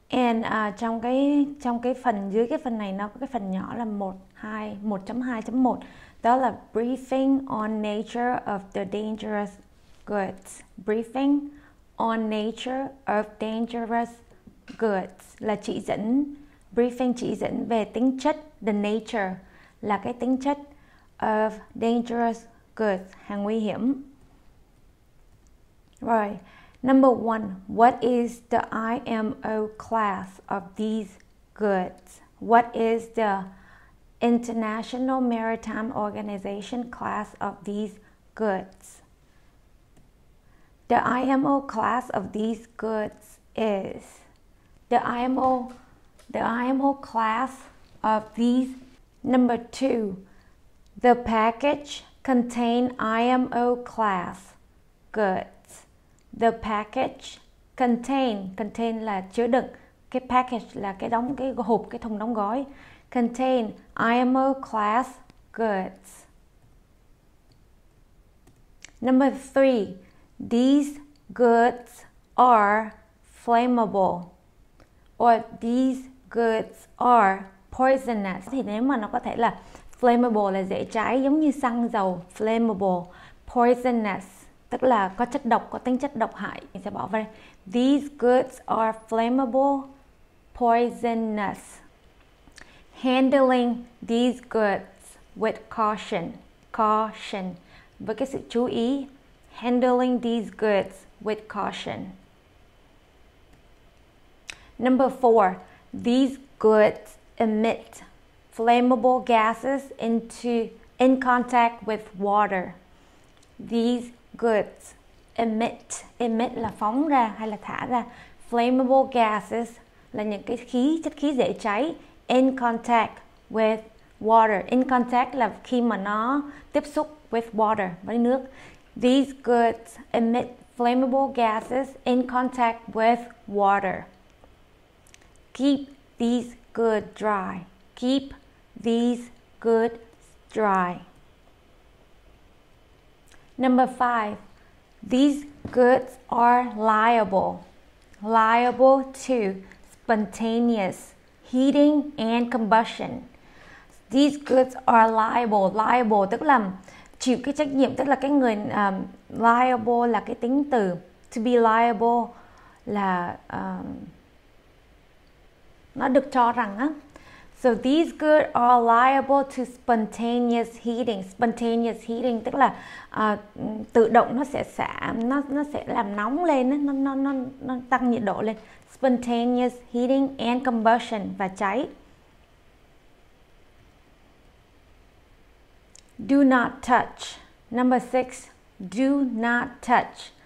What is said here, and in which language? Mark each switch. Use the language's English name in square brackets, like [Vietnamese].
[Vietnamese] And trong cái phần dưới cái phần này nó có cái phần nhỏ là 1.2.1, đó là [English] briefing on nature of the dangerous goods. Briefing on nature of dangerous goods [Vietnamese] là chỉ dẫn. Briefing chỉ dẫn về tính chất, [English] the nature, [Vietnamese] là cái tính chất [English] of dangerous goods, [Vietnamese] hàng nguy hiểm. [English] Right. Number one, what is the IMO class of these goods? What is the International Maritime Organization class of these goods? The IMO class of these goods is the IMO. The IMO class of these. Number two, the package contain IMO class goods. The package contain [Vietnamese] là chứa đựng. Cái package là cái đóng, cái hộp, cái thùng đóng gói. [English] Contain IMO class goods. Number three, these goods are flammable. Or these goods are poisonous. [Vietnamese] Thì nếu mà nó có thể là flammable là dễ cháy, giống như xăng dầu, flammable. Poisonous tức là có chất độc, có tính chất độc hại. Mình sẽ bỏ vào đây. [English] These goods are flammable, poisonous. Handling these goods with caution. Caution. [Vietnamese] Với cái sự chú ý. [English] Handling these goods with caution. Number four. These goods emit flammable gases in contact with water. These goods emit [Vietnamese] là phóng ra hay là thả ra [English] flammable gases [Vietnamese] là những cái khí, chất khí dễ cháy [English] in contact with water. In contact [Vietnamese] là khi mà nó tiếp xúc [English] with water, [Vietnamese] với nước. [English] These goods emit flammable gases in contact with water. Keep these good dry. Keep these good dry. Number five. These goods are liable. Liable to spontaneous heating and combustion. These goods are liable. [Vietnamese] Liable tức là chịu cái trách nhiệm, tức là cái người liable là cái tính từ. [English] To be liable [Vietnamese] là nó được cho rằng á. [English] So these goods are liable to spontaneous heating. Spontaneous heating [Vietnamese] tức là tự động nó sẽ xả, nó sẽ làm nóng lên, nó tăng nhiệt độ lên. [English] Spontaneous heating and combustion [Vietnamese] và cháy. [English] Do not touch. Number six, do not touch.